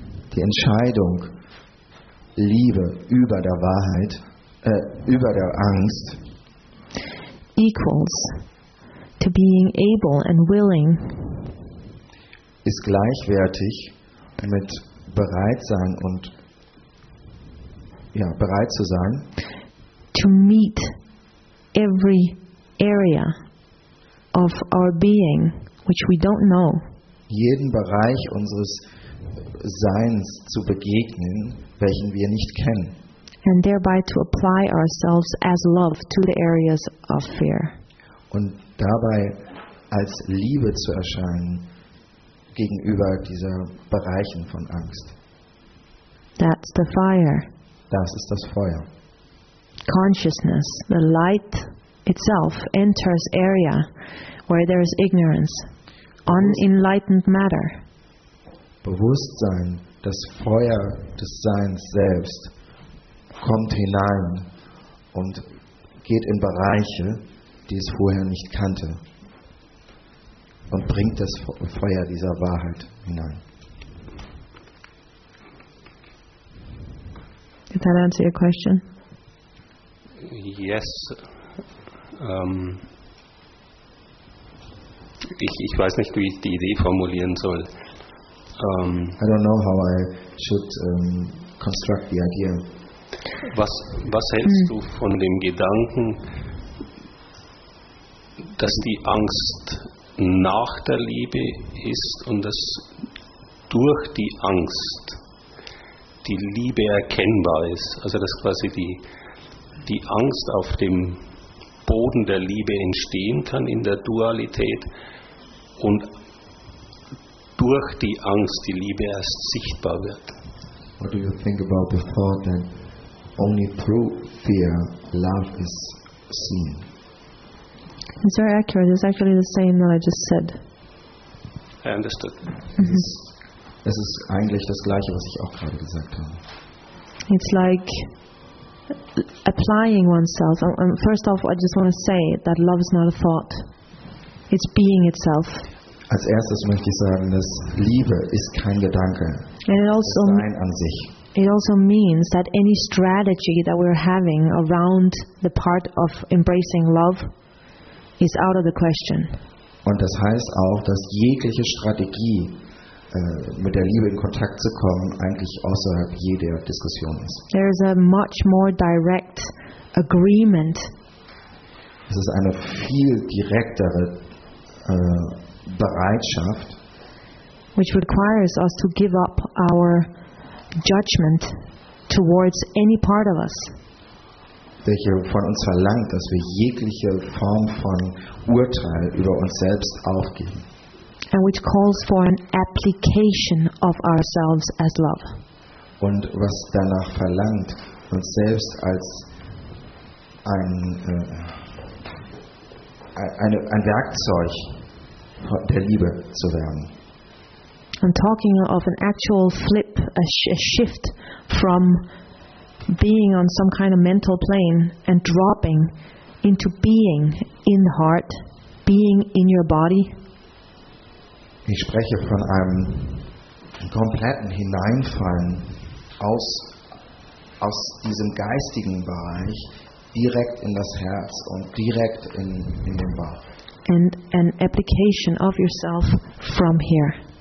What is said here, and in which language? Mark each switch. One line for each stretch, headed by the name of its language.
German: Die Entscheidung, Liebe über der Wahrheit, über der Angst,
English: equals to being able and willing,
German: ist gleichwertig mit bereit sein und bereit zu sein,
English: to meet every area of our being which we don't know,
German: jeden Bereich unseres Seins zu begegnen, welchen wir nicht kennen.
English: And thereby to apply ourselves as love to the areas of fear.
German: Und dabei als Liebe zu erscheinen gegenüber dieser Bereichen von Angst.
English: That's the fire.
German: Das ist das Feuer.
English: Consciousness, the light itself, enters area where there is ignorance, unenlightened matter.
German: Bewusstsein, das Feuer des Seins selbst, kommt hinein und geht in Bereiche, die es vorher nicht kannte, und bringt das Feuer dieser Wahrheit hinein.
English: Did that answer your question? Yes.
German: Ich weiß nicht, wie ich die Idee formulieren soll.
English: I don't know how I should construct the idea.
German: Was hältst du von dem Gedanken, dass die Angst nach der Liebe ist und dass durch die Angst die Liebe erkennbar ist? Also dass quasi die Angst auf dem Boden der Liebe entstehen kann in der Dualität und durch die Angst die Liebe erst sichtbar wird.
English: What do you think about the thought that only through fear love is seen? It's very accurate. It's actually the same that I just said. I understood.
German: Es ist eigentlich das Gleiche, was ich auch gerade gesagt habe.
English: It's like applying oneself. First off, I just want to say that love is not a thought. It's being itself.
German: Als erstes möchte ich sagen, dass Liebe ist kein Gedanke.
English: And it also
German: ist sein an sich.
English: It also means that any strategy that we're having around the part of embracing love is out of the question.
German: Und das heißt auch, dass jegliche Strategie, mit der Liebe in Kontakt zu kommen, eigentlich außerhalb jeder Diskussion ist.
English: There is a much more direct agreement.
German: Es ist eine viel direktere Bereitschaft,
English: which requires us to give up our judgment towards any part of us.
German: Welche von uns verlangt, dass wir jegliche Form von Urteil über uns selbst aufgeben.
English: And which calls for an application of ourselves as love.
German: Und was danach verlangt, uns selbst als ein Werkzeug der Liebe zu werden.
English: I'm talking of an actual flip, a shift from being on some kind of mental plane and dropping into being in the heart, being in your body.
German: Ich spreche von einem kompletten Hineinfallen aus diesem geistigen Bereich direkt in das Herz und direkt in den Bauch.
English: And an application of yourself from here.